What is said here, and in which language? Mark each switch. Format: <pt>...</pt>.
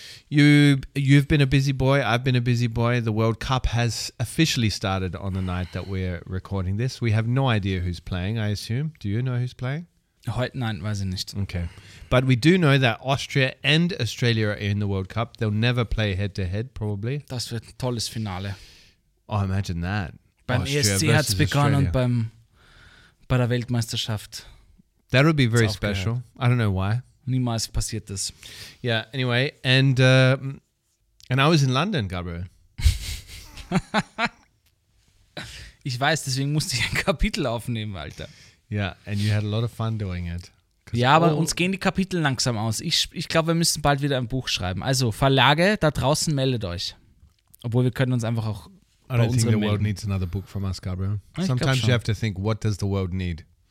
<en>You've been a busy boy. I've been a busy boy. The World Cup has officially started on the night that we're recording this. We have no idea who's playing, I assume. Do you know who's playing?</en> <de>Heute nein, weiß ich nicht.</de> <en>Okay. But we do know that Austria and Australia are in the World Cup. They'll never play head-to-head, probably.</en> <de>Das wird ein tolles Finale.</de> <en>Oh, imagine that.</en> <de>Beim Austria ESC hat es begonnen und bei der Weltmeisterschaft.</de> <en>That would be very special.</en> <de>Gehört.</de> <en>I don't know why.</en> <de>Niemals passiert das.</de> <en>Yeah, anyway, and I was in London, Gabriel.</en> <de>Ich weiß, deswegen musste ich ein Kapitel aufnehmen, Alter.</de> <en>Yeah, and you had a lot of fun doing it.</en> <de>Ja, aber uns gehen die Kapitel langsam aus. Ich glaube, wir müssen bald wieder ein Buch schreiben. Also, Verlage, da draußen meldet euch. Obwohl, wir können uns einfach auch bei unseren melden.</de> <en>I don't think the world needs another book from us, Gabriel. Sometimes you have to think, what does the world need?</en>